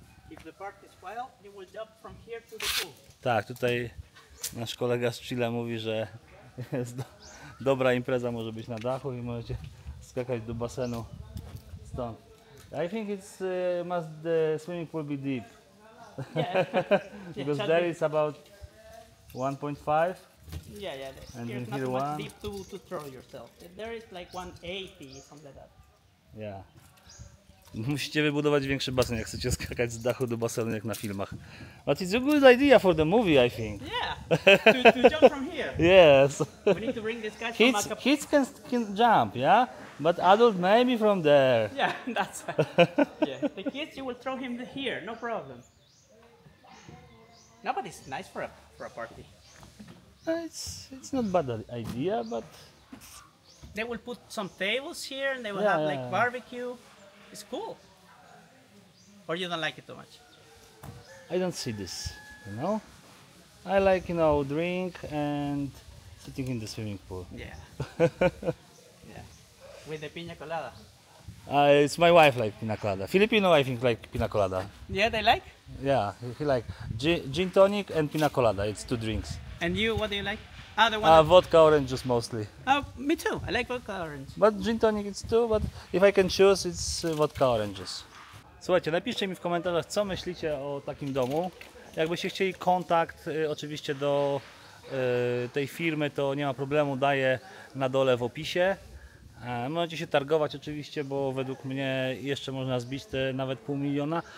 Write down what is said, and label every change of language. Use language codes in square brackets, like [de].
[en] If the park is wild, you will jump from here to the pool. [pl] Tak, tutaj nasz kolega z Chile mówi, że jest dobra impreza może być na dachu i możecie skakać do basenu stąd. [en] I think it's must the swimming pool be deep. Yeah. Because yeah, there is about 1.5. Yeah, yeah. And here's here not too one. Much deep to throw yourself. There is like 180 something like that. Yeah. [pl] Musicie wybudować większy basen, jak chcecie skakać z dachu do basenu, jak na filmach. [en] But it's a good idea for the movie, I think. Yeah, to jump from here. Yes. We need to bring this guy from Acapulco. Kids can jump, yeah? But adult maybe from there. Yeah, that's right. Yeah. The kids, you will throw him here, no problem. No, but it's nice for a party. It's not a bad idea, but... They will put some tables here and they will have like barbecue. It's cool. Or you don't like it too much? I don't see this, you know? I like, you know, drink and sitting in the swimming pool. Yeah. Yeah. With the piña colada. It's my wife like pina colada. Filipino, I think, like pina colada. Yeah, they like? Yeah, he like gin tonic and pina colada. It's two drinks. And you, what do you like? Vodka orange juice mostly. Me too. I like vodka orange. But gin tonic it's too, but if I can choose, it's vodka orange juice. [pl] Słuchajcie, napiszcie mi w komentarzach, co myślicie o takim domu. Jakbyście chcieli kontakt oczywiście do tej firmy, to nie ma problemu, daję na dole w opisie. Możecie się targować oczywiście, bo według mnie jeszcze można zbić te nawet 500 000.